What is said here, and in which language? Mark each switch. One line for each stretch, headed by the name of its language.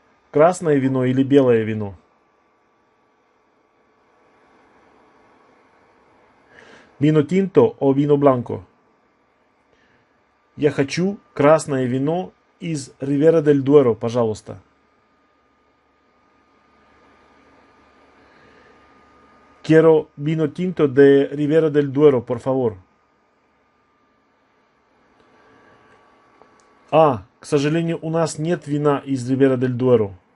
Russian: Красное вино или белое вино?
Spanish: Вино тинто о вино бланко.
Russian: Я хочу красное вино из Ривера дель Дуэро, пожалуйста.
Spanish: Quiero vino tinto de Ribera del Duero, por favor.
Russian: Ah, к сожалению, у нас нет вина из Ribera del Duero.